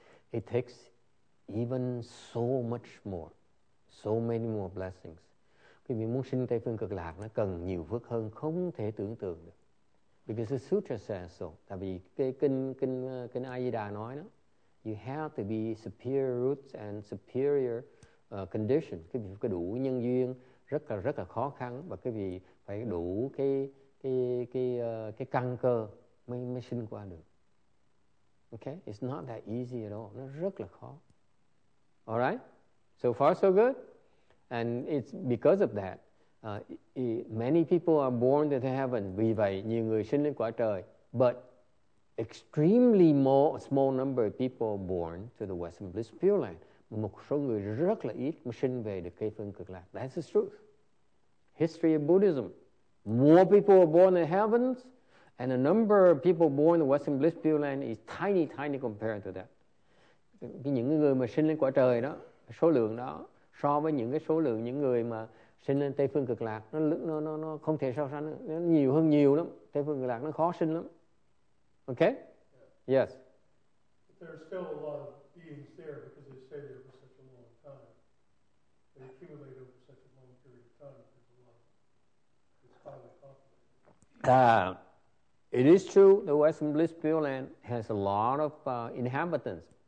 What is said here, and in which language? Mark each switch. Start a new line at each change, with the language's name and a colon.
English: It takes even so much more, so many more blessings.
Vietnamese: Quý vị muốn sinh Tây Phương Cực Lạc, nó cần nhiều phước hơn không thể tưởng tượng được.
English: Because the sutra says so.
Vietnamese: Tại vì cái kinh A-di-đà nói đó,
English: you have to be superior roots and superior condition.
Vietnamese: Quý vị phải đủ nhân duyên rất là khó khăn, và quý vị phải đủ cái căn cơ mới sinh qua được.
English: Okay, it's not that easy at all.
Vietnamese: Nó rất là khó.
English: All right? So far so good. And it's because of that, many people are born into heaven.
Vietnamese: Vì vậy nhiều người sinh lên quả trời,
English: but extremely small number of people are born to the Western Bliss Pure Land.
Vietnamese: Một số người rất là ít mà sinh về được Tây Phương Cực Lạc.
English: That's the truth. History of Buddhism. More people are born in heavens. And the number of people born in the Western Bliss Pure Land is tiny, tiny compared to that.
Vietnamese: Những người mà sinh lên quả trời đó, số lượng đó, so với những cái số lượng những người mà sinh lên Tây Phương Cực Lạc, nó không thể so sánh, nó nhiều hơn nhiều lắm. Tây Phương Cực Lạc nó khó sinh lắm.
English: Okay? Yeah. Yes. But there are still a lot of beings there because they stayed there for such a long time. They accumulated over such a long period of time. There's a lot. It's highly populated. It is true, the Western Bliss Pure Land has a lot of inhabitants.